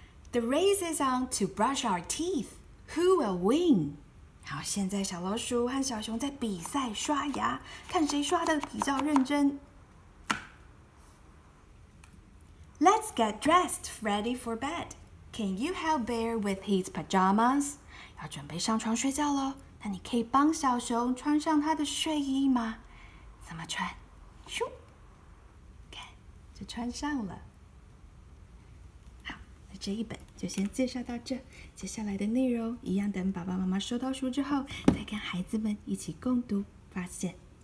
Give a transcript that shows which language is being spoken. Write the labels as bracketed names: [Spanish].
[English] The race is on to brush our teeth. Who will win？ [Chinese] 好，现在小老鼠和小熊在比赛刷牙，看谁刷得比较认真。 [English] Let's get dressed, ready for bed. Can you help Bear with his pajamas? [Chinese] 要准备上床睡觉咯，那你可以帮小熊穿上他的睡衣吗？怎么穿？咻，看，就穿上了。这一本就先介绍到这，接下来的内容一样等爸爸妈妈收到书之后再跟孩子们一起共读发现。